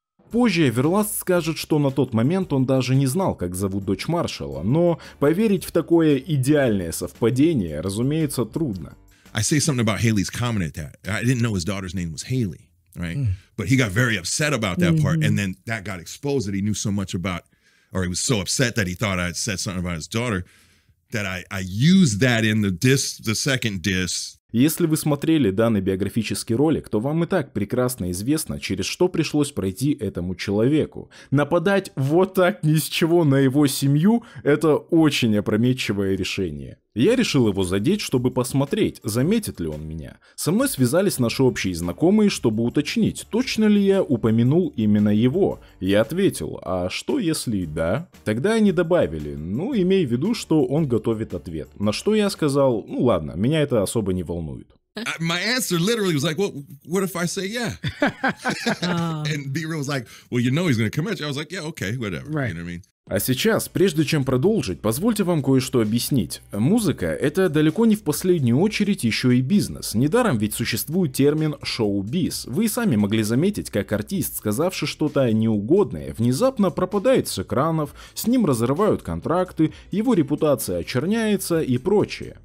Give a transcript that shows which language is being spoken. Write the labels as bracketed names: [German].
[Russian] позже Верласт скажет, что на тот момент он даже не знал, как зовут дочь маршала, но поверить в такое идеальное совпадение, разумеется, трудно. [English] I say something about Haley's comment at that. I didn't know his daughter's name was Haley, right? But he got very upset about that part, and then that got exposed that he knew so much about, or he was so upset that he thought I had said something about his daughter, that I used that in the diss, the second diss. [Russian] Если вы смотрели данный биографический ролик, то вам и так прекрасно известно, через что пришлось пройти этому человеку. Нападать вот так ни с чего на его семью – это очень опрометчивое решение. Я решил его задеть, чтобы посмотреть, заметит ли он меня. Со мной связались наши общие знакомые, чтобы уточнить, точно ли я упомянул именно его. Я ответил, а что если да? Тогда они добавили, ну имей в виду, что он готовит ответ. На что я сказал, ну ладно, меня это особо не волнует. [English] My answer literally was like, well, what if I say yeah? And B-Real was like, well, you know he's gonna come at you. I was like, yeah, okay, whatever. Right. You know what I mean? [Russian] А сейчас, прежде чем продолжить, позвольте вам кое-что объяснить. Музыка — это далеко не в последнюю очередь еще и бизнес. Недаром ведь существует термин «шоу-биз». Вы и сами могли заметить, как артист, сказавший что-то неугодное, внезапно пропадает с экранов, с ним разрывают контракты, его репутация очерняется и прочее.